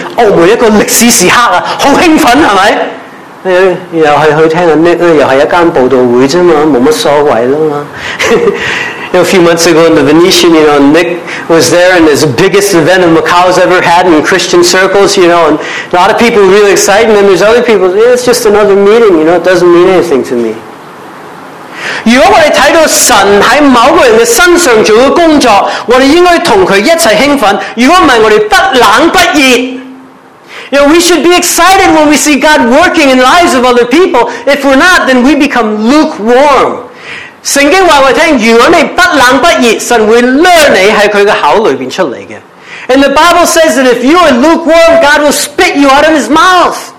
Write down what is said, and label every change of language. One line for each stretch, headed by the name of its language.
Cantonese: 好像早幾個月在威尼斯人Nick的報道會，每一個歷史時刻很興奮，是不是？又是去聽Nick，又是一間報道會而已，沒什麼所謂了嘛。
English: A few months ago in the Venetian, you know, Nick was there and it's the biggest event in Macau's ever had in Christian circles, you know, and a lot of people were really excited, and then there's other people, yeah, it's just another meeting, you know, it doesn't mean anything to me. You know, we should be excited when we see God working in the lives of other people. If we're not, then we become lukewarm.
Cantonese: 圣经告诉我们，如果你不冷不热，神会掠你在他的口里面出来的。
English: And the Bible says that if you are lukewarm, God will spit you out of his mouth.